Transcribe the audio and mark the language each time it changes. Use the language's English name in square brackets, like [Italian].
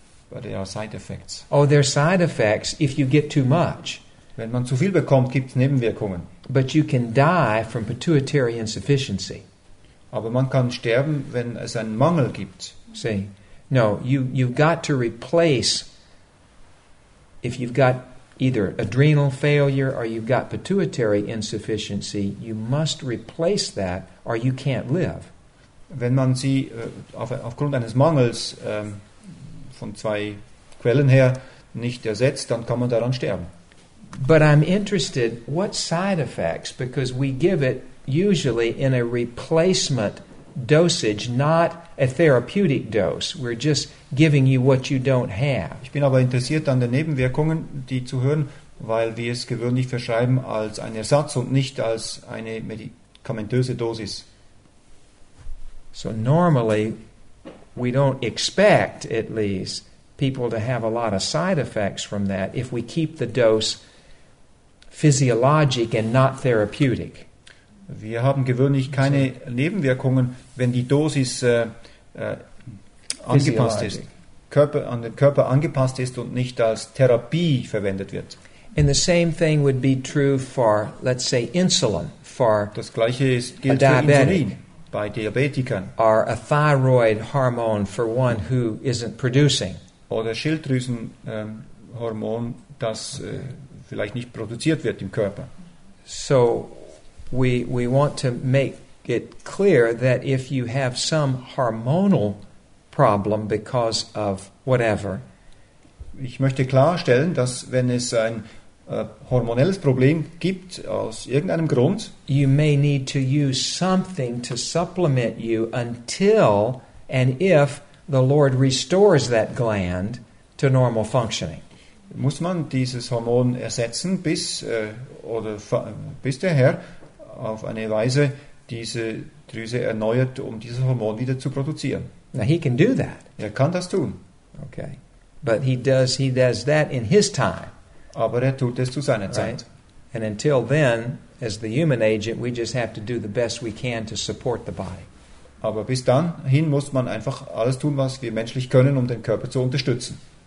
[English] But there are side effects. Oh, there are side effects if you get too much. [German] Wenn man zu viel bekommt, gibt es Nebenwirkungen. [English] But you can die from pituitary insufficiency. [German] Aber man kann sterben, wenn es einen Mangel gibt. [English] See, no, you've got to replace, if you've got either adrenal failure or you've got pituitary insufficiency, you must replace that or you can't live. [German] Wenn man sie aufgrund eines Mangels von zwei Quellen her nicht ersetzt, dann kann man daran sterben. [English] But I'm interested, what side effects, because we give it usually in a replacement dosage, not a therapeutic dose. We're just giving you what you don't have. [German] Ich bin aber interessiert an den Nebenwirkungen, die zu hören, weil wir es gewöhnlich verschreiben als ein Ersatz und nicht als eine medikamentöse Dosis. [English] So normally, we don't expect, at least, people to have a lot of side effects from that if we keep the dose physiologic and not therapeutic. [German] Wir haben gewöhnlich keine Nebenwirkungen, wenn die Dosis angepasst ist, an den Körper angepasst ist und nicht als Therapie verwendet wird. [English] And the same thing would be true for, let's say, insulin, for [German] das gleiche gilt für Insulin bei Diabetikern. [English] Or a thyroid hormone for one who isn't producing. [German] Oder Schilddrüsenhormon, das vielleicht nicht produziert wird im Körper. [English] So we want to make it clear that if you have some hormonal problem because of whatever, [German] ich möchte klarstellen, dass wenn es ein hormonelles Problem gibt aus irgendeinem Grund, [English] you may need to use something to supplement you until and if the Lord restores that gland to normal functioning. [German] Muss man dieses Hormon ersetzen, bis der Herr auf eine Weise diese Drüse erneuert, um dieses Hormon wieder zu produzieren? [English] Now he can do that. [German] Er kann das tun. [English] Okay, but he does that in his time. [German] Aber er tut es zu seiner Zeit. [English] Right? And until then, as the human agent, we just have to do the best we can to support the body. [German] Aber bis dann hin muss man einfach alles tun, was wir menschlich können, um den Körper zu unterstützen.